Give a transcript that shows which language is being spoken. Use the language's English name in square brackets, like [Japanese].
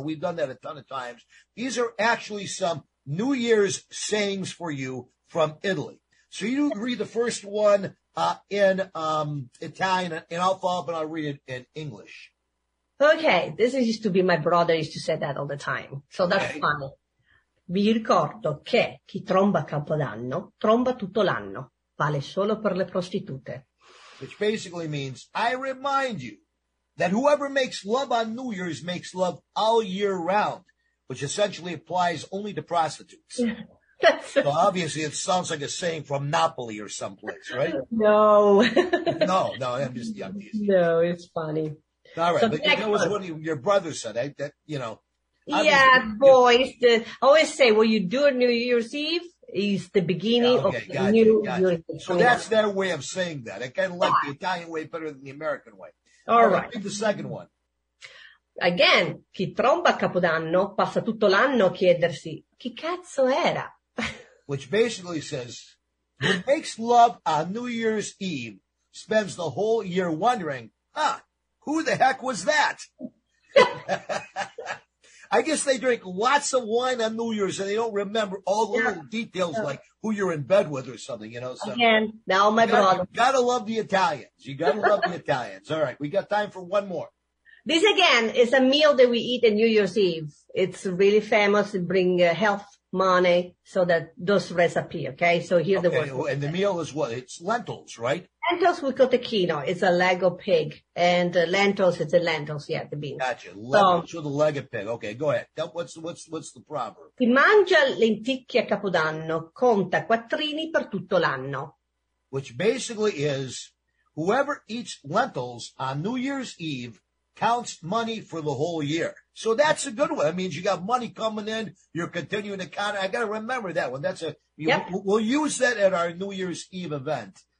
[English] We've done that a ton of times. These are actually some New Year's sayings for you from Italy. So you read the first one in Italian, and I'll follow up and I'll read it in English. Okay. This used to be my brother used to say that all the time. So that's okay. Funny. [Italian] Vi ricordo che chi tromba Capodanno, tromba tutto l'anno, vale solo per le prostitute. [English] Which basically means, I remind you that whoever makes love on New Year's makes love all year round, which essentially applies only to prostitutes. So obviously it sounds like a saying from Napoli or someplace, right? No. No, I'm just young. No, it's funny. All right, so but that was what your brother said, Obviously, yeah, boys, I always say what you do on New Year's Eve is the beginning of the new year. So that's their way of saying that. I kind of like the Italian way better than the American way. All right. Read the second one. Again, [Italian] chi tromba Capodanno passa tutto l'anno a chiedersi chi cazzo era? [English] Which basically says, who makes love on New Year's Eve spends the whole year wondering, who the heck was that? I guess they drink lots of wine on New Year's and they don't remember all the little details like who you're in bed with or something, So again, now my brother. You gotta love the Italians. You gotta love the Italians. All right, we got time for one more. This, again, is a meal that we eat on New Year's Eve. It's really famous. It brings health, money, so that those recipe, okay? So here the word. And the meal is what? It's lentils, right? Lentils with cotechino. It's a leg of pig. And lentils, it's the lentils, yeah, the beans. Gotcha. Lentils with the leg of pig. Okay, go ahead. What's the proverb? [Italian] Chi mangia lenticchie a Capodanno conta quattrini per tutto l'anno. [English] Which basically is, whoever eats lentils on New Year's Eve counts money for the whole year. So that's a good one. That means you got money coming in. You're continuing to count. I got to remember that one. We'll use that at our New Year's Eve event.